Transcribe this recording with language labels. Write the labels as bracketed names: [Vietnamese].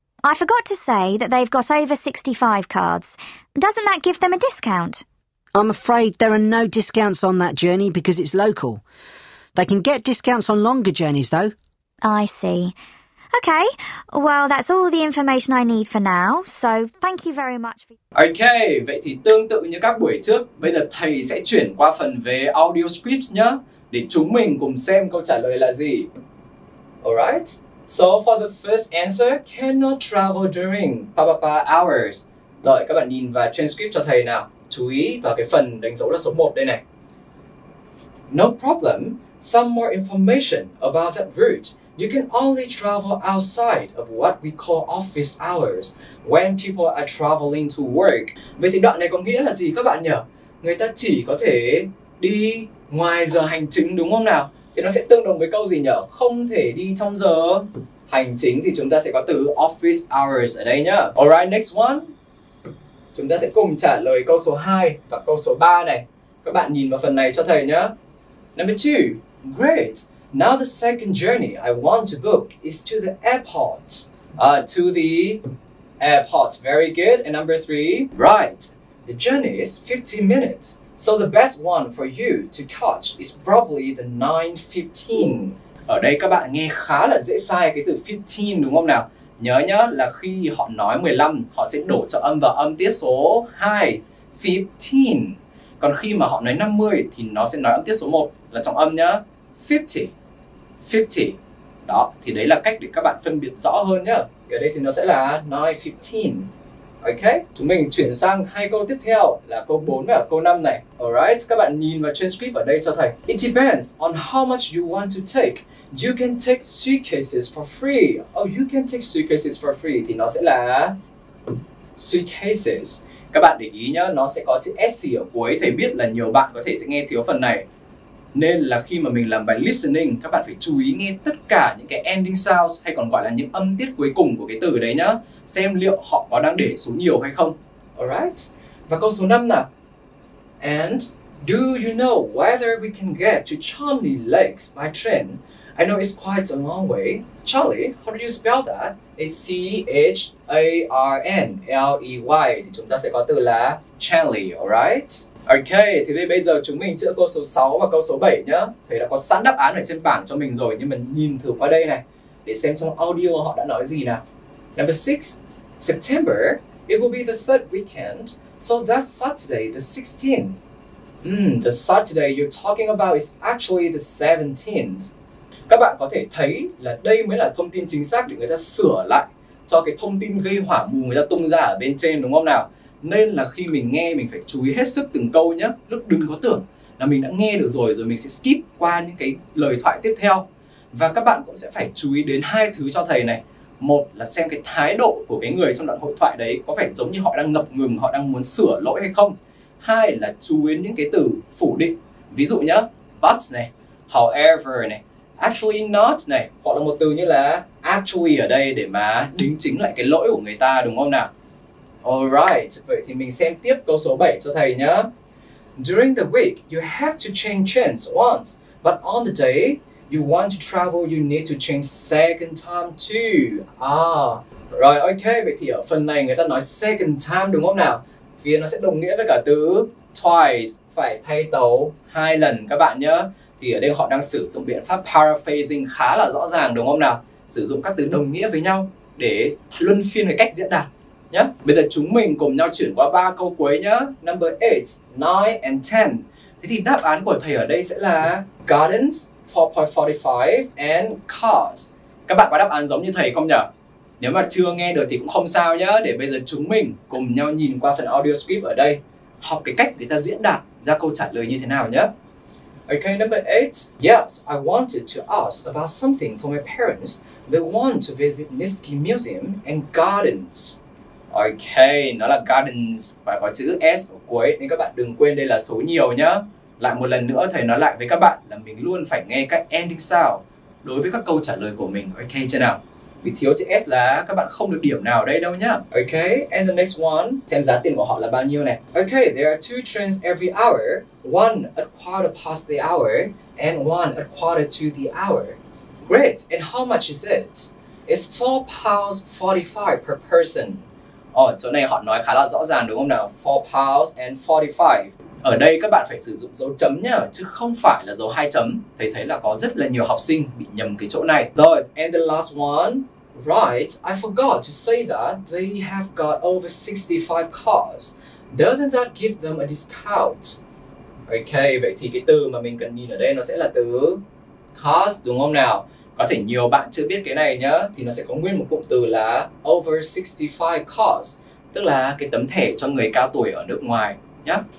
[English] I forgot to say that they've got over 65 cards. Doesn't that give them a discount? I'm afraid there are no discounts on that journey because it's local. They can get discounts on longer journeys, though. I see. OK, well, that's all the information I need for now, so thank you very much. [Vietnamese] OK, vậy thì tương tự như các buổi trước, bây giờ thầy sẽ chuyển qua phần về audio scripts nhé, để chúng mình cùng xem câu trả lời là gì. [English] Alright, so for the first answer, cannot travel during hours. [Vietnamese] Rồi, các bạn nhìn vào transcript cho thầy nào. chú ý vào cái phần đánh dấu là số 1 đây này. [English] No problem. Some more information about that route. You can only travel outside of what we call office hours when people are traveling to work. [Vietnamese] Vậy thì đoạn này có nghĩa là gì các bạn nhỉ? Người ta chỉ có thể đi ngoài giờ hành chính đúng không nào? Thì nó sẽ tương đồng với câu gì nhỉ? Không thể đi trong giờ hành chính thì chúng ta sẽ có từ office hours ở đây nhá. [English] Alright, next one. [Vietnamese] Chúng ta sẽ cùng trả lời câu số 2 và câu số 3 này. Các bạn nhìn vào phần này cho thầy nhá. [English] Number 2. Great. Now the second journey I want to book is to the airport. To the airport. Very good. And number 3. Right. The journey is 15 minutes. So the best one for you to catch is probably the 9:15. [Vietnamese] Ở đây các bạn nghe khá là dễ sai cái từ 15 đúng không nào? Nhớ nhá là khi họ nói 15, họ sẽ đổ cho âm vào âm tiết số 2, 15. Còn khi mà họ nói 50 thì nó sẽ nói âm tiết số 1 là trọng âm nhá, 50. Đó, thì đấy là cách để các bạn phân biệt rõ hơn nhá. Ở đây thì nó sẽ là 9:15. Ok, chúng mình chuyển sang hai câu tiếp theo là câu 4 và câu 5 này. Alright, các bạn nhìn vào transcript ở đây cho thầy. [English] It depends on how much you want to take. You can take suitcases for free. Oh, you can take suitcases for free. [Vietnamese] Thì nó sẽ là suitcases. Các bạn để ý nhá, nó sẽ có chữ SC ở cuối. Thầy biết là nhiều bạn có thể sẽ nghe thiếu phần này. Nên là khi mà mình làm bài listening, các bạn phải chú ý nghe tất cả những cái ending sounds hay còn gọi là những âm tiết cuối cùng của cái từ đấy nhá. Xem liệu họ có đang để số nhiều hay không. Alright. Và câu số 5 nào. [English] And do you know whether we can get to Charlie Lakes by train? I know it's quite a long way. Charlie, how do you spell that? It's C-H-A-R-N-L-E-Y. [Vietnamese] Thì chúng ta sẽ có từ là Charlie, alright? Ok, thì bây giờ chúng mình chữa câu số 6 và câu số 7 nhá. Thầy đã có sẵn đáp án ở trên bảng cho mình rồi, nhưng mà nhìn thử qua đây này để xem trong audio họ đã nói gì nào. [English] Number 6. September, it will be the third weekend, so that's Saturday the 16th. The Saturday you're talking about is actually the 17th. [Vietnamese] Các bạn có thể thấy là đây mới là thông tin chính xác để người ta sửa lại cho cái thông tin gây hỏa mù người ta tung ra ở bên trên đúng không nào? Nên là khi mình nghe mình phải chú ý hết sức từng câu nhé. Lúc đừng có tưởng là mình đã nghe được rồi, rồi mình sẽ skip qua những cái lời thoại tiếp theo. Và các bạn cũng sẽ phải chú ý đến hai thứ cho thầy này. Một là xem cái thái độ của cái người trong đoạn hội thoại đấy có phải giống như họ đang ngập ngừng, họ đang muốn sửa lỗi hay không. Hai là chú ý những cái từ phủ định. Ví dụ nhé, but này, however này, actually not này, hoặc là một từ như là actually ở đây để mà đính chính lại cái lỗi của người ta đúng không nào? Alright, vậy thì mình xem tiếp câu số 7 cho thầy nhá. [English] During the week, you have to change trains once, but on the day you want to travel, you need to change second time too. [Vietnamese] Rồi ok, vậy thì ở phần này người ta nói second time đúng không nào? Vì nó sẽ đồng nghĩa với cả từ twice, phải thay tấu hai lần các bạn nhá. Thì ở đây họ đang sử dụng biện pháp paraphrasing khá là rõ ràng đúng không nào? Sử dụng các từ đồng nghĩa với nhau để luân phiên cái cách diễn đạt. Yeah. Bây giờ chúng mình cùng nhau chuyển qua ba câu cuối nhé. [English] Number 8, 9 and 10. [Vietnamese] Thế thì đáp án của thầy ở đây sẽ là [English] gardens, 4.45 and cars. [Vietnamese] Các bạn có đáp án giống như thầy không nhỉ? Nếu mà chưa nghe được thì cũng không sao nhé. Để bây giờ chúng mình cùng nhau nhìn qua phần audio script ở đây, học cái cách người ta diễn đạt ra câu trả lời như thế nào nhé. [English] Ok, number 8. Yes, I wanted to ask about something for my parents. They want to visit Niski Museum and Gardens. [Vietnamese] Ok, nó là gardens, phải có chữ S ở cuối, nên các bạn đừng quên đây là số nhiều nhá. Lại một lần nữa, thầy nói lại với các bạn là mình luôn phải nghe các ending sound đối với các câu trả lời của mình, ok chưa nào? Vì thiếu chữ S là các bạn không được điểm nào ở đây đâu nhá. Ok, [English] and the next one, [Vietnamese] xem giá tiền của họ là bao nhiêu này. [English] Ok, there are two trains every hour, one at quarter past the hour, and one at quarter to the hour. Great, and how much is it? It's £4.45 per person. [Vietnamese] Chỗ này họ nói khá là rõ ràng đúng không nào? [English] 4 pounds and 45. [Vietnamese] Ở đây các bạn phải sử dụng dấu chấm nhá, chứ không phải là dấu hai chấm. Thầy thấy là có rất là nhiều học sinh bị nhầm cái chỗ này. [English] Rồi, and the last one. Right, I forgot to say that they have got over 65 cars. Doesn't that give them a discount? [Vietnamese] Ok, vậy thì cái từ mà mình cần nhìn ở đây nó sẽ là từ cars đúng không nào? Có thể nhiều bạn chưa biết cái này nhá, thì nó sẽ có nguyên một cụm từ là over 65 cars, tức là cái tấm thẻ cho người cao tuổi ở nước ngoài. nhá.